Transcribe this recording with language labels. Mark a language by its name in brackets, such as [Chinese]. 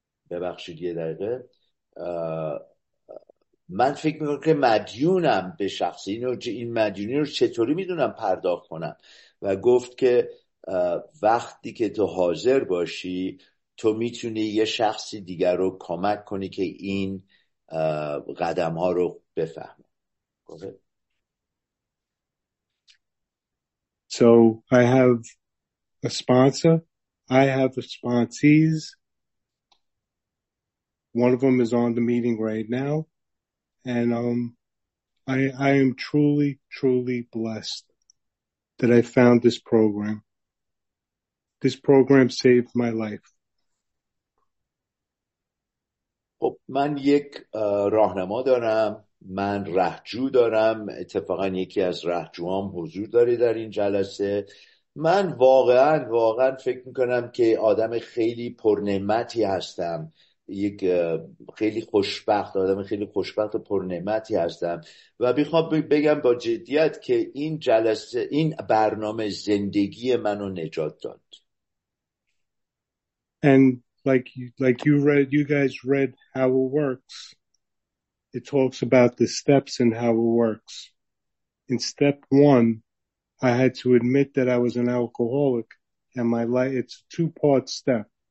[Persian] ببخشید یه دقیقه من فکر میکنم که مدیونم به شخص این مدیونی رو چطوری میدونم پرداخت کنم و گفت که وقتی که تو حاضر باشی تو میتونی یه شخصی دیگر رو کمک کنی که این قدم ها رو بفهمه. [English] So I have a sponsor, I have the sponsees. One of them is on the meeting right now, and I am truly, truly blessed that I found this program. This program saved my life. [Persian] خب من یک راهنما دارم، من رهجو دارم، اتفاقا یکی از رهجوهام حضور داره در این جلسه. من واقعا فکر میکنم که آدم خیلی پرنعمتی هستم، یک خیلی خوشبخت، آدم خیلی خوشبخت و پرنعمتی هستم و بخواب بگم با جدیت که این جلسه، این برنامه زندگی منو نجات داد. [English] And like you read, you guys read how it works. It talks about the steps and how it works. In step one, I had to admit that I was an alcoholic and my life, it's a two-part step.